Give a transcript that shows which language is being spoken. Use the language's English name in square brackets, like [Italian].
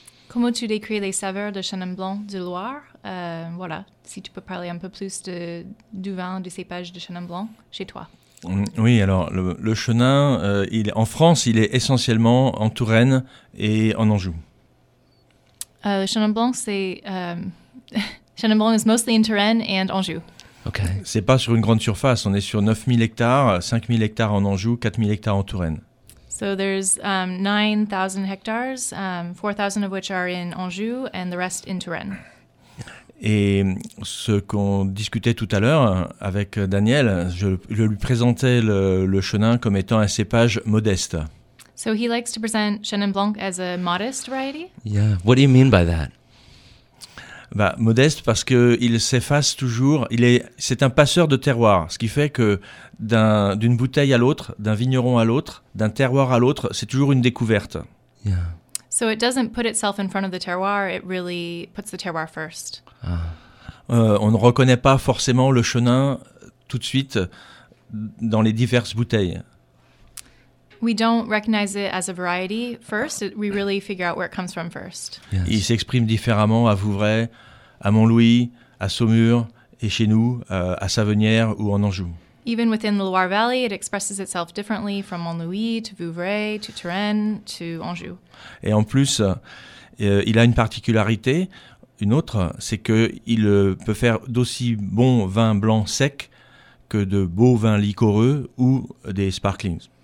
[French] Comment tu décris les saveurs de Chenin Blanc de Loire? Voilà, si tu peux parler un peu plus du vin, du cépage de Chenin Blanc chez toi. Oui, alors le Chenin, en France, il est essentiellement en Touraine et en Anjou. Le Chenin Blanc, c'est... [English] Chenin Blanc is mostly in Touraine and Anjou. Okay. [French] C'est pas sur une grande surface, on est sur 9000 hectares, 5000 hectares en Anjou, 4000 hectares en Touraine. [English] So there's 9,000 hectares, 4,000 of which are in Anjou and the rest in Touraine. [French] Et ce qu'on discutait tout à l'heure avec Daniel, je lui présentais le Chenin comme étant un cépage modeste. [English] So he likes to present Chenin Blanc as a modest variety? Yeah, what do you mean by that? [French] Bah, modeste parce qu'il s'efface toujours, c'est un passeur de terroir, ce qui fait que d'une bouteille à l'autre, d'un vigneron à l'autre, d'un terroir à l'autre, c'est toujours une découverte. [English] Yeah. So it doesn't put itself in front of the terroir, it really puts the terroir first. [French] On ne reconnaît pas forcément le Chenin tout de suite dans les diverses bouteilles. [English] We don't recognize it as a variety first. We really figure out where it comes from first. Yes. [French] Il s'exprime différemment à Vouvray, à Mont-Louis, à Saumur et chez nous, à Savenières ou en Anjou. [English] Even within the Loire Valley, it expresses itself differently from Mont-Louis to Vouvray to Touraine to Anjou. [French] Et en plus, il a une particularité, une autre, c'est qu'il peut faire d'aussi bons vins blancs secs que de beaux vins liquoreux ou des sparklings.